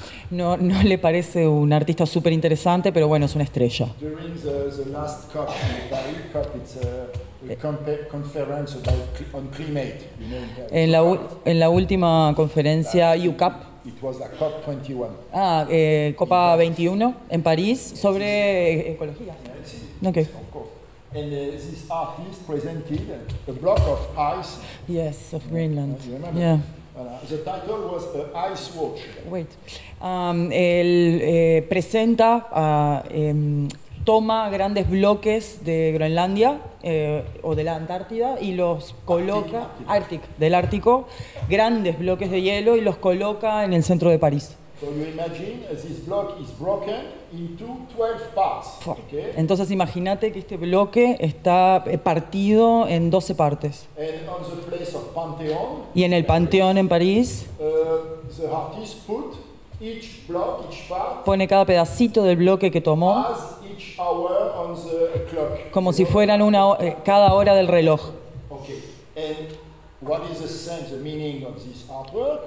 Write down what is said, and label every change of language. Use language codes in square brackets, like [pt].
[es] no le parece un artista súper interesante, pero bueno, es una estrella. [en] During the last COP, the Paris COP, it's a conference on climate. You know, [es] en la última conferencia UCAP. [en] It was a COP 21. [es] Ah, Copa 21 en París sobre ecología. [en] Yeah, okay. And this artist presented a block of ice. Yes, of Greenland. You remember? Yeah. The title was Ice Watch. Wait. [es] Él presenta, toma grandes bloques de Groenlandia o de la Antártida y los coloca. [en] Arctic. [es] Del Ártico. Grandes bloques de hielo y los coloca en el centro de París. [en] So you imagine this block is broken into 12 parts. Okay? [es] Entonces imagínate que este bloque está partido en 12 partes. [en] And on the place of Pantheon, [es] y en el Panteón en París, [en] the artist put each block, each part, [es] pone cada pedacito del bloque que tomó [en] each hour on the clock. [es] Como si fueran una, cada hora del reloj. [en] Okay. And what is the sense, the meaning of this artwork?